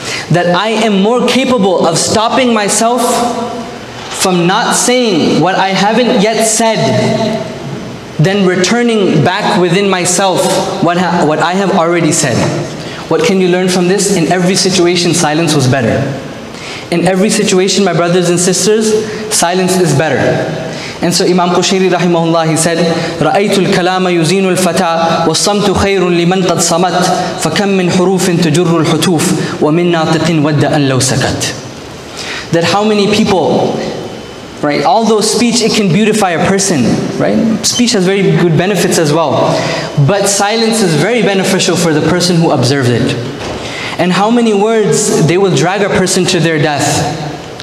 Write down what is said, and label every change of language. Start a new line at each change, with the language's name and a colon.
English: That I am more capable of stopping myself from not saying what I haven't yet said, then returning back within myself what I have already said. What can you learn from this? In every situation, silence was better. In every situation, my brothers and sisters, silence is better. And so Imam Qushayri rahimahullah, he said,
Arabic: رَأَيْتُ الْكَلَامَ يُزِينُ الْفَتَى وَالصَّمْتُ خَيْرٌ لِمَنْ قَدْ صَمَتْ فَكَمْ مِنْ حُرُوفٍ تُجُرُّ الْحُتُوفِ وَمِنْ نَاطِقٍ وَدَّ أَنْ لَوْ سَكَتْ.
English: That how many people, right? Although speech, it can beautify a person, right? Speech has very good benefits as well. But silence is very beneficial for the person who observes it. And how many words, they will drag a person to their death.